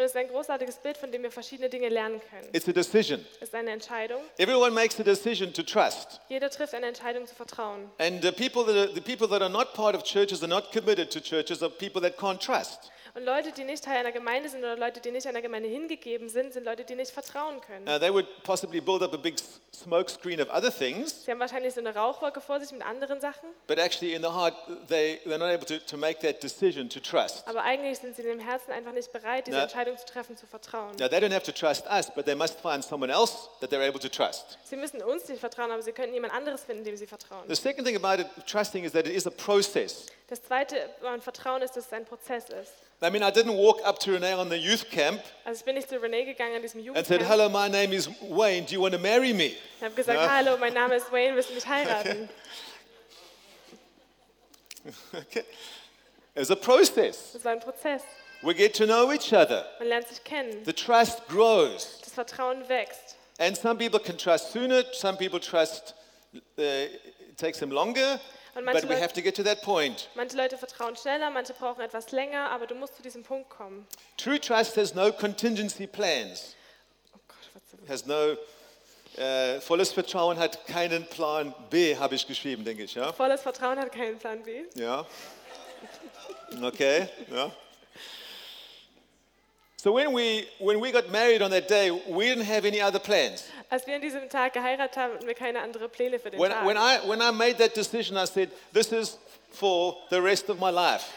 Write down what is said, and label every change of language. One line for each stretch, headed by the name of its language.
German: Und es ist ein großartiges Bild, von dem wir verschiedene Dinge lernen können.
English: It's a decision.
German: Es ist eine Entscheidung.
English: Everyone makes a decision to trust.
German: Jeder trifft eine Entscheidung zu vertrauen.
English: And the people that are not part of churches are not committed to churches are people that can't trust.
German: Und Leute, die nicht Teil einer Gemeinde sind oder Leute, die nicht einer Gemeinde hingegeben sind, sind Leute, die nicht vertrauen können.
English: They would possibly build up a big smoke screen of other things.
German: Sie haben wahrscheinlich so eine Rauchwolke vor sich mit anderen Sachen.
English: But actually in the heart they're not able to make that decision to trust.
German: Aber eigentlich sind sie in dem Herzen einfach nicht bereit, diese Entscheidung zu treffen, zu vertrauen.
English: Now they don't have to trust us, but they must find someone else that they're able to trust.
German: Sie müssen uns nicht vertrauen, aber sie können jemand anderes finden, dem sie vertrauen.
English: The second thing about it, trusting is that it is a process.
German: Das zweite an Vertrauen ist, dass es ein Prozess ist.
English: I mean, I didn't walk up to Renee on the youth camp.
German: Also ich bin nicht zu Renee gegangen an diesem Jugendcamp.
English: And said, "Hello, my name is Wayne. Do you want to marry me?"
German: Ich habe gesagt, "Hallo, mein Name ist Wayne. Willst du mich heiraten?"
English: Okay. Okay. It's a process.
German: Es war ein Prozess.
English: We get to know each other.
German: Man lernt sich kennen.
English: The trust grows.
German: Das Vertrauen wächst.
English: And some people can trust sooner. Some people trust. It takes them longer. But we have to get to that point.
German: Manche Leute vertrauen schneller, manche brauchen etwas länger, aber du musst zu diesem Punkt kommen.
English: True trust has no contingency plans.
German: Oh Gott, was ist das?
English: Has no
German: volles Vertrauen hat keinen Plan B, habe ich geschrieben, denke ich, ja? Volles Vertrauen hat keinen Plan B. Ja. Okay, ja.
English: So when we got married on that day, we didn't have any other plans.
German: Als wir an diesem Tag geheiratet haben, hatten wir keine andere Pläne für den
English: when,
German: Tag.
English: When I made that decision, I said, this is for the rest of my life.